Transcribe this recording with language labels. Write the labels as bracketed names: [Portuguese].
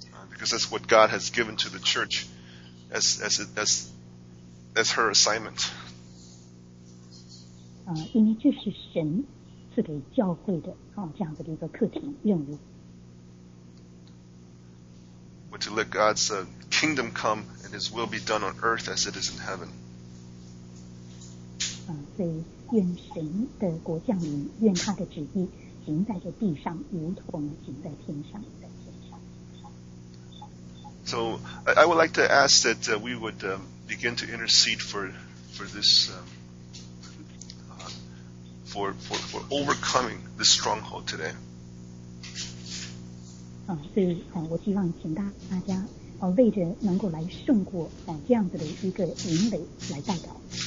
[English] Because that's what God has given to the church as her assignment. [Chinese] 因为这是神赐给教会的这样子的一个课题任务。 [English] We're to let God's kingdom come and His will be done on earth as it is in heaven. [Chinese] 所以愿神的国降临，愿他的旨意行在这地上，如同行在天上。 [English] So I would like to ask that we would begin to intercede for this. For overcoming this stronghold today. [Chinese] 所以我希望请大家为着能够来胜过这样子的一个引领来代表。